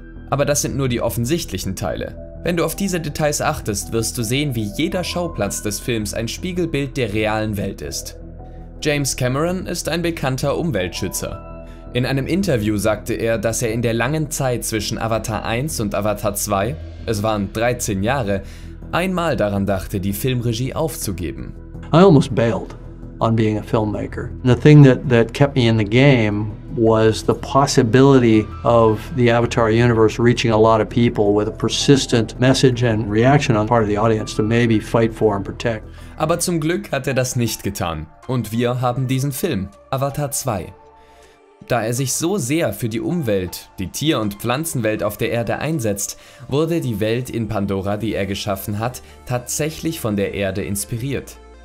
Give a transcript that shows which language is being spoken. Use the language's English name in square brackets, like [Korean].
[German] Aber das sind nur die offensichtlichen Teile. Wenn du auf diese Details achtest, wirst du sehen, wie jeder Schauplatz des Films ein Spiegelbild der realen Welt ist. James Cameron ist ein bekannter Umweltschützer. In einem Interview sagte er, dass er in der langen Zeit zwischen Avatar 1 und Avatar 2, es waren 13 Jahre, einmal daran dachte, die Filmregie aufzugeben. [English] I almost bailed on being a filmmaker. The thing that kept me in the game was the possibility of the Avatar universe reaching a lot of people with a persistent message and reaction on part of the audience to maybe fight for and protect. [German] Aber zum Glück hat er das nicht getan und wir haben diesen Film Avatar 2. Da er sich so sehr für die Umwelt, die Tier- und Pflanzenwelt auf der Erde einsetzt, wurde die Welt in Pandora, die er geschaffen hat, tatsächlich von der Erde inspiriert.